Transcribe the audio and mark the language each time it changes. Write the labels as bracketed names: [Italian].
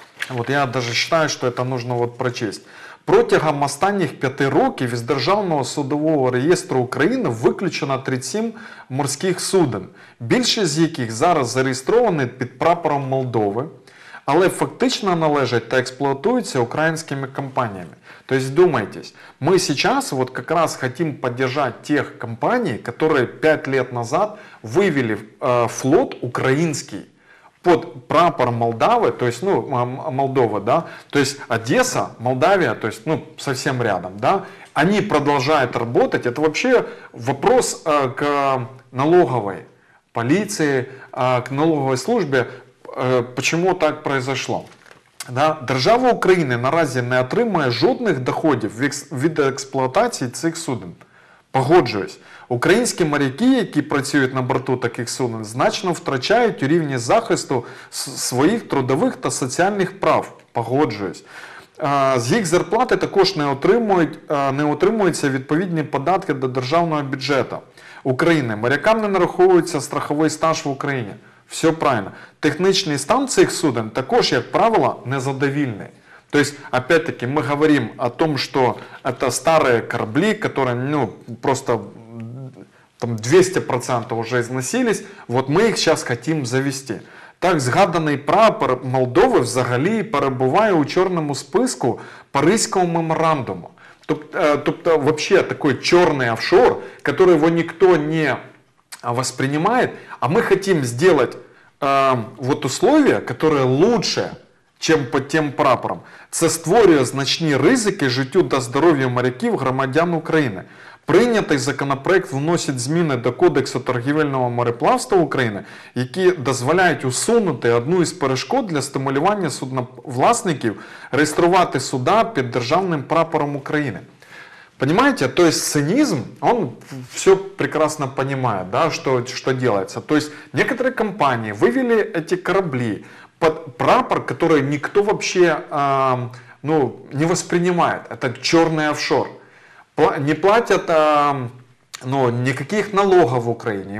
[Russian] Вот я даже считаю, что это нужно вот прочесть. [Ukrainian] Протягом останніх 5 років из Державного судового реєстру України виключено 37 морських суден, більшість з яких зараз зареєстровані під прапором Молдови, але фактично належать та експлуатуються українськими компаніями. [Russian] То есть вдумайтесь, мы сейчас вот как раз хотим поддержать тех компаний, которые 5 лет назад вывели флот украинский под прапор Молдавы, то есть, ну, Молдова, да, то есть Одесса, Молдавия, то есть, ну, совсем рядом, да, они продолжают работать. Это вообще вопрос к налоговой полиции, к налоговой службе, почему так произошло. Да? [Ukrainian] Держава України наразі не отримує жодних доходів від експлуатації цих суден. Погоджуюсь. Українські моряки, які працюють на борту таких суден, значно втрачають у рівні захисту своїх трудових та соціальних прав. Погоджуюсь. З їх зарплати також не отримуються відповідні податки до державного бюджету України. Морякам не нараховується страховий стаж в Україні. Все правильно. Технічний стан цих суден також, як правило, незадовільний. [Russian] То есть, опять-таки, мы говорим о том, что это старые корабли, которые, ну, просто там 200% уже износились, вот мы их сейчас хотим завести. [Ukrainian] Так, згаданий прапор Молдови взагалі перебуває у чорному списку Паризького меморандуму. [Russian] Тобто, вообще, такой чорний офшор, который его никто не воспринимает, а мы хотим сделать вот условия, которые лучше, чем под тем прапором. [Ukrainian] Це створює значні ризики життю та здоров'ю моряків, громадян України. Прийнятий законопроект вносить зміни до Кодексу торгівельного мореплавства України, які дозволяють усунути одну із перешкод для стимулювання судновласників реєструвати суда під державним прапором України. [Russian] Понимаете, то есть цинизм, он все прекрасно понимает, да, что делается. То есть некоторые компании вывели эти корабли под прапор, который никто вообще ну, не воспринимает. Это черный офшор. Не платят ну, никаких налогов в Украине.